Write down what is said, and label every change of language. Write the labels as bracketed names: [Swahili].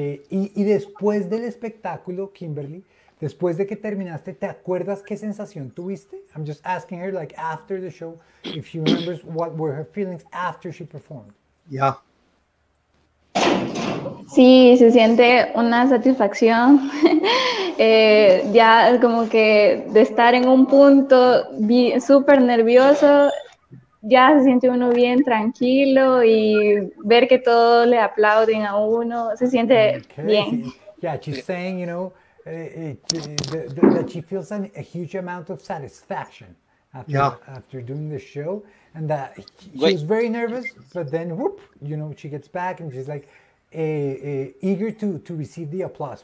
[Spanish] Y después del espectáculo, Kimberly, después de que terminaste, ¿te acuerdas qué sensación tuviste? [English] I'm just asking her, like, after the show, if she remembers what were her feelings after she performed. Yeah. [Spanish] Sí, se siente una satisfacción. ya como que de estar en un punto súper nervioso, ya se siente uno bien tranquilo y ver que todo le aplauden a uno, se siente bien. [English] Yeah, she's saying, you know, that she feels a huge amount of satisfaction after doing the show, and that she was very nervous, but then whoop, you know, she gets back and she's like eager to receive the applause.